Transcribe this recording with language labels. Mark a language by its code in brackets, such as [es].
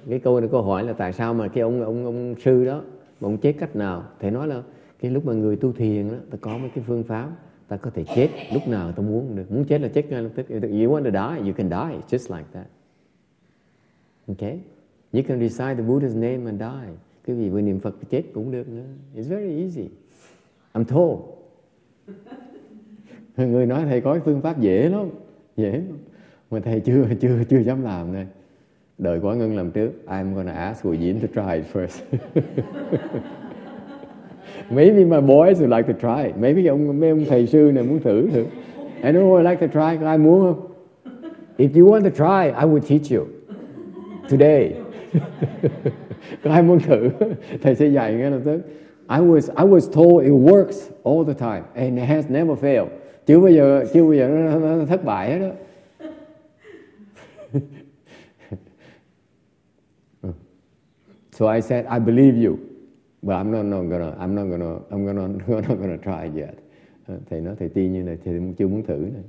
[vi] Cái câu hỏi là tại sao mà cái ông sư đó, ông chết cách nào? Thầy nói là cái lúc mà người tu thiền đó, ta có mấy cái phương pháp ta có thể chết lúc nào ta muốn được. Muốn chết là chết ngay lập tức. [en] If you want to die, you can die just like that. Okay? You can recite the Buddha's name and die. [vi] Quý vị vừa niệm Phật chết cũng được nữa. [en] It's very easy. I'm told. [vi] Người nói thầy có phương pháp dễ lắm. Dễ lắm. Mà thầy chưa dám làm nè. Đợi Quả Ngân làm trước. [en] I'm gonna ask Hồ Diễn to try it first. Maybe my boys would like to try. [vi] Maybe ông thầy sư này muốn thử. [en] Anyone would like to try? [vi] Ai muốn không? [en] If you want to try, I will teach you. Today. [vi] Ai muốn thử? Thầy sẽ dạy ngay lập tức. [en] I was told it works all the time. And it has never failed. [vi] Chưa bao giờ nó thất bại hết đó. [en] So I said, I believe you. But I'm not gonna try yet. [vi] Thầy nói thầy tin như này, thầy chưa muốn thử này.